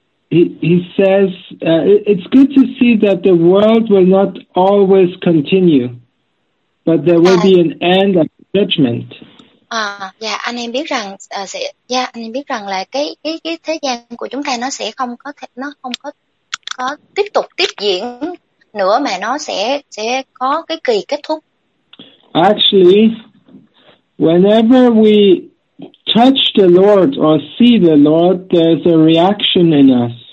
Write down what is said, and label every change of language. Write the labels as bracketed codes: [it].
[en] He says it's good to see that the world will not always continue, but there will be an end of judgment. [vi] À, dạ anh em biết rằng sẽ dạ anh em biết rằng là cái thế gian của chúng ta nó sẽ không có thể, nó không có có tiếp tục tiếp diễn nữa, mà nó sẽ có cái kỳ kết thúc. [en] Actually, whenever we touch the Lord or see the Lord, there's a reaction in us.